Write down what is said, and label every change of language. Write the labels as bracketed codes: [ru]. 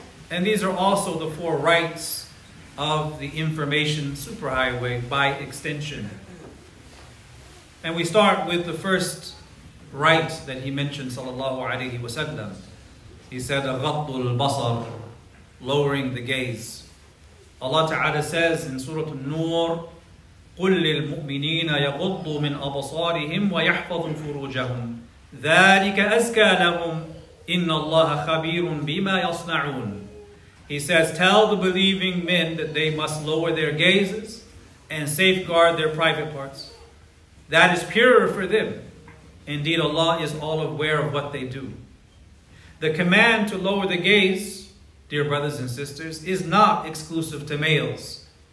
[en] And these are also the four rights of the information superhighway by extension. And we start with the first right that he mentioned, sallallahu alayhi wa sallam. He said, [ar] غَطُّ الْبَصَرُ, [en] lowering the gaze. Allah Ta'ala says in Surah An-Nur, [ar] قُلْ لِلْمُؤْمِنِينَ يَغُطُّ مِنْ أَبَصَارِهِمْ وَيَحْفَظُ فُرُوجَهُمْ ذَلِكَ أَزْكَى لَهُمْ إِنَّ اللَّهَ خَبِيرٌ بِمَا يَصْنَعُونَ. [en] He says, tell the believing men that they must lower their gazes and safeguard their private parts. That is purer for them. Indeed, Allah is all aware of what they do. The command to lower the gaze, dear brothers and sisters, is not exclusive to males.